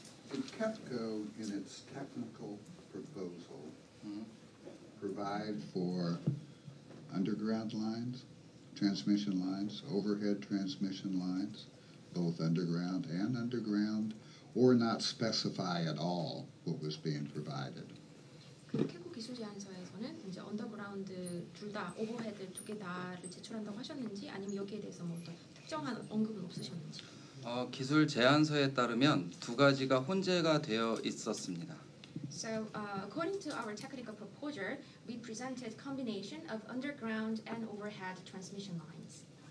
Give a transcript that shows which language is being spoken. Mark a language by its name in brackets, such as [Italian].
[English] Did KEPCO, in its technical proposal, provide for underground lines, transmission lines, overhead transmission lines, both underground and underground, or not specify at all what was being provided? [Korean] 캡코 기술 제안서에서는 이제 언더그라운드 둘 다, 오버헤드 두 개 다를 제출한다고 하셨는지, 아니면 여기에 대해서 뭐 어떤 특정한 언급은 없으셨는지? 기술 제안서에 따르면 두 가지가 혼재가 되어 있었습니다. [English] So, according to our technical proposal, we presented combination of underground and overhead transmission lines.